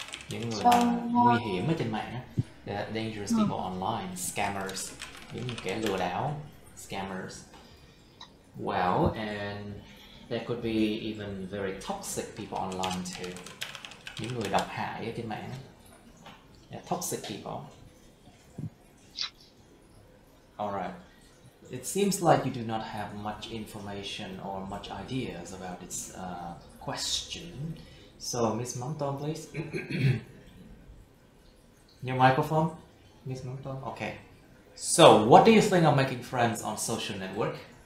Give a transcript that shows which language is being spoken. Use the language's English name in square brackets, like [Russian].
[Vietnamese] Những người nguy hiểm ở trên mạng á, [English] dangerous people online, [Vietnamese] scammers, những kẻ lừa đảo, scammers. [English] Well, and there could be even very toxic people online too. [Vietnamese] Những người độc hại ở trên mạng á, [English] toxic people. All right. It seems like you do not have much information or much ideas about this question. So, Miss Mountain, please. Your microphone, Miss Mountain. Okay. So, what do you think of making friends on social network?